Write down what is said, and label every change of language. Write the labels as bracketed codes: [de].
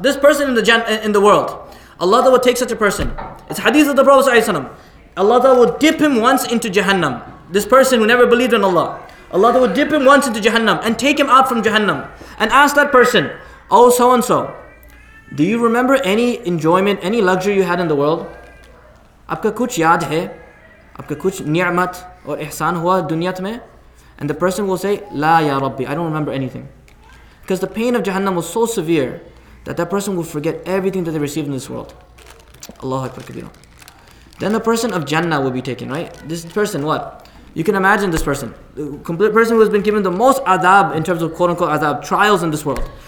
[en] This person in the world, Allah would take such a person. It's hadith of the Prophet. Allah would dip him once into Jahannam. This person who never believed in Allah. Allah would dip him once into Jahannam and take him out from Jahannam and ask that person, oh so and so, do you remember any enjoyment, any luxury you had in the world? [ur] آپکا کچھ یاد ہے؟ آپکا کچھ نعمت اور احسان ہوا دنیات میں؟ [en] And the person will say, La ya Rabbi, I don't remember anything. Because the pain of Jahannam was so severe that that person will forget everything that they received in this world. Allahu Akbar Kabira. Then the person of Jannah will be taken, right? This person, what? You can imagine this person. The complete person who has been given the most adab in terms of quote-unquote adab, trials in this world.